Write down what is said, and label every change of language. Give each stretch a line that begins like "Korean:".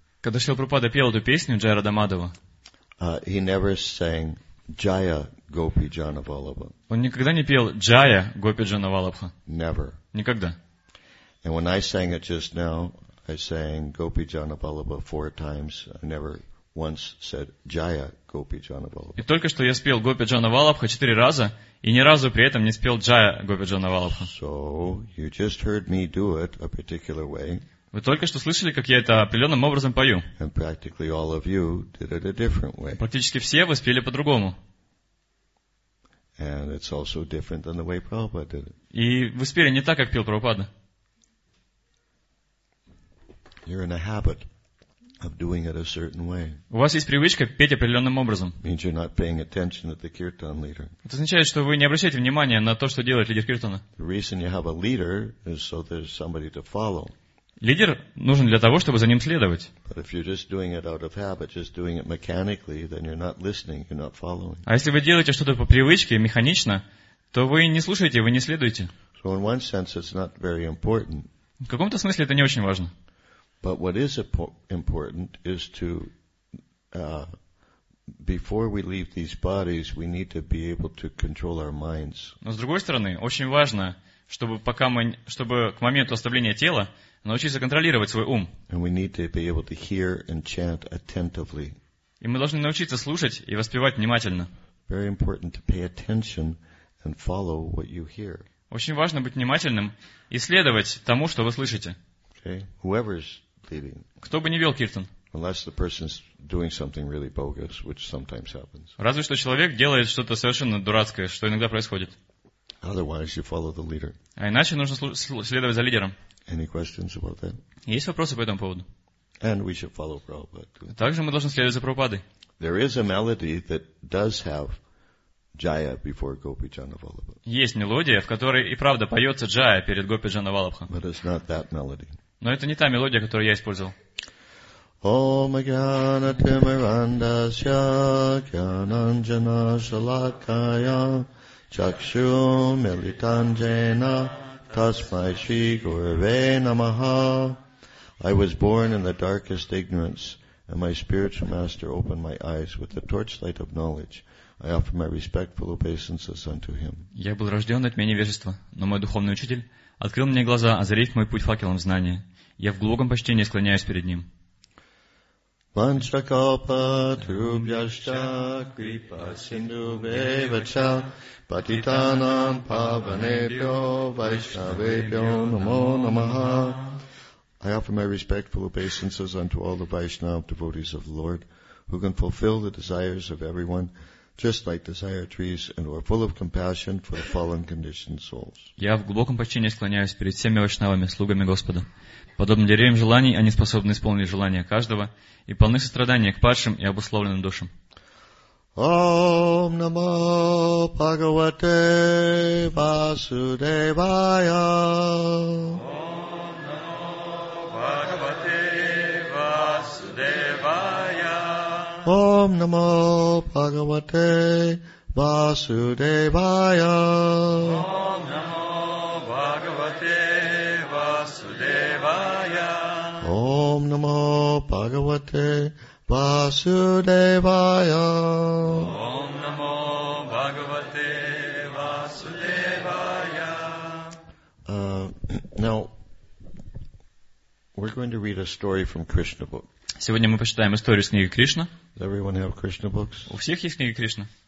Russian: Когда Шрила Прабхупада пел эту песню Джай Радха Мадхава.
English: He never sang Jaya Gopi Jana Vallabha.
Russian: Он никогда не пел Джая Гопи Джана Валлабха.
English: Never.
Russian: Никогда.
English: And when I sang it just now, I sang Gopi Jana Vallabha four times. I never once said Jaya Gopi Jana Vallabha.
Russian: И только что я спел Гопи Джана Валлабха четыре раза и ни разу при этом не спел Джая Гопи Джана Валлабха.
English: So you just heard me do it a particular way.
Russian: Вы только что слышали, как я это определенным образом пою.
English: And practically all of you did it a different way.
Russian: Практически все вы спели по-другому.
English: And it's also different than the way Prabhupada did it.
Russian: И вы спели не так, как пел Прабхупада.
English: You're in a habit of doing it a certain way.
Russian: У вас есть привычка петь определенным образом.
English: Means you're not paying attention to the kirtan leader.
Russian: Это означает, что вы не обращаете внимания на то, что делает лидер киртана.
English: The reason you have a leader is so there's somebody to follow.
Russian: Лидер нужен для того, чтобы за ним следовать.
English: Habit,
Russian: а если вы делаете что-то по привычке, механично, то вы не слушаете, вы не следуете.
English: So sense, it's not very important.
Russian: В каком-то смысле это не очень важно.
English: But what is important is to before we leave these bodies, we need to be able to control our minds.
Russian: Но с другой стороны, очень важно, чтобы пока мы, чтобы к моменту оставления тела научиться контролировать свой ум.
English: And we need to be able to hear and chant attentively.
Russian: И мы должны научиться слушать и воспевать внимательно.
English: Very important to pay attention and follow what you hear.
Russian: Очень важно быть внимательным и следовать тому, что вы слышите.
English: Okay. Whoever's leading.
Russian: Кто бы ни вел киртан.
English: Unless the person's doing something really bogus, which sometimes happens.
Russian: Разве что человек делает что-то совершенно дурацкое, что иногда происходит.
English: Otherwise, you follow the leader.
Russian: А иначе нужно следовать за лидером.
English: Any questions about that?
Russian: Есть вопросы по этому поводу?
English: And we should follow Prabhupada too.
Russian: Также мы должны следовать за Прабхупадой.
English: There is a melody that does have Jaya before Gopi Jana Vallabha.
Russian: Есть мелодия, в которой и правда поется Джая перед Гопи Джана Валлабха.
English: But it's not that melody.
Russian: Но это не та мелодия, которую я использовал.
Sanskrit: Om Ajnana Timirandasya Jnananjana Shalakaya Chakshu Militanjena Tasmai Shri Gurave Namaha.
English: I was born in the darkest ignorance, and my spiritual master opened my eyes with the torchlight of knowledge. I offer my respectful obeisances unto him.
Russian: Я был рожден от невежества, но мой духовный учитель открыл мне глаза, озарив мой путь факелом знания. Я в глубоком почтении склоняюсь перед ним.
Sanskrit: Vanchakalpa trubhyascha kripa sindhubhyascha patitanam pavanebhyo vaishnavebhyo namo namaha.
English: I offer my respectful obeisances unto all the Vaishnava devotees of the Lord who can fulfill the desires of everyone just like desire trees and who are full of compassion for the fallen conditioned souls.
Russian: Я в глубоком почтении склоняюсь перед всеми вайшнавами, слугами Господа. Подобно деревьям желаний, они способны исполнить желания каждого и полны сострадания к падшим и обусловленным душам.
Sanskrit: Ом намо Бхагавате Васудевая. Ом намо Бхагавате Васудевая. Ом намо Бхагавате Васудевая. Ом намо Бхагавате Васудевая. Om namo Bhagavate Vasudevaya. Om namo Bhagavate Vasudevaya.
English: Now we're going to read a story from Krishna book.
Russian: Сегодня мы почитаем историю из книги Кришна.
English: Does everyone have Krishna books?
Russian: У всех есть книги Кришна.